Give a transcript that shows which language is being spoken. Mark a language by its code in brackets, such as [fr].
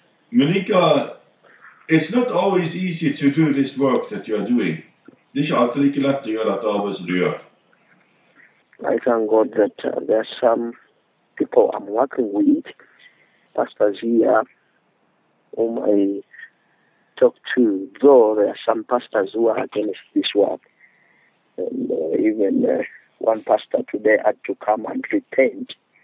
[en] Malika, it's not always easy to do this work that you are doing. [no] Det er ikke alltid like lett å gjøre dette arbeidet som du gjør. [en] I thank God that there are some people I'm working with. Pastor Zia, whom I talk to, though there are some pastors who are against this work. And even one pastor today had to come and repent.